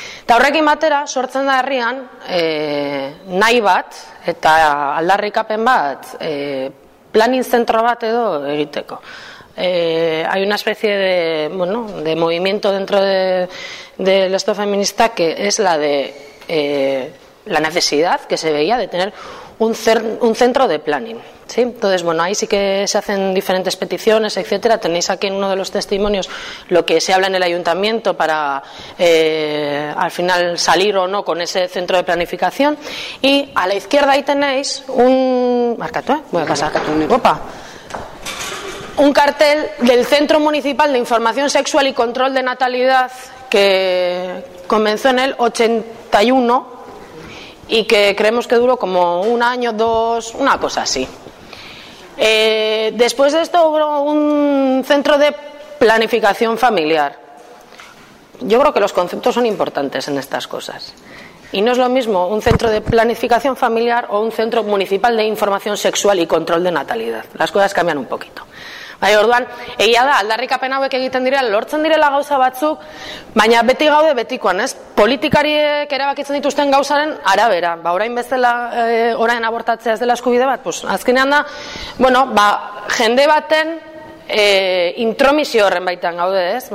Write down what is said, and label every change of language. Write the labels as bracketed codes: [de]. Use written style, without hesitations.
[eu] Eta horrekin batera, sortzen da herrian, nahi bat, eta aldarrikapen bat, planin zentro bat edo egiteko. [es] Hay una especie de, bueno, de movimiento dentro del esto feminista que es la de la necesidad que se veía de tener un centro de planning, ¿sí? Entonces, bueno, ahí sí que se hacen diferentes peticiones, etcétera. Tenéis aquí en uno de los testimonios lo que se habla en el ayuntamiento para al final salir o no con ese centro de planificación. Y a la izquierda ahí tenéis un... Marcato, ¿eh? Voy a pasar. Opa. Un cartel del Centro Municipal de Información Sexual y Control de Natalidad que comenzó en el 81 y que creemos que duró como un año, dos, una cosa así. Después de esto hubo un centro de planificación familiar. Yo creo que los conceptos son importantes en estas cosas. Y no es lo mismo un centro de planificación familiar o un centro municipal de información sexual y control de natalidad. Las cosas cambian un poquito. [eu] Bai, orduan, egia da, aldarrikapen hauek egiten direla, lortzen direla gauza batzuk, baina beti gaude betikoan, ez? Politikariek erabakitzen dituzten gauzaren arabera. Ba, orain bezala, orain abortatzea ez dela eskubide bat, pues, azkenean da, bueno, ba, jende baten intromisio horren baitan gaude, ez?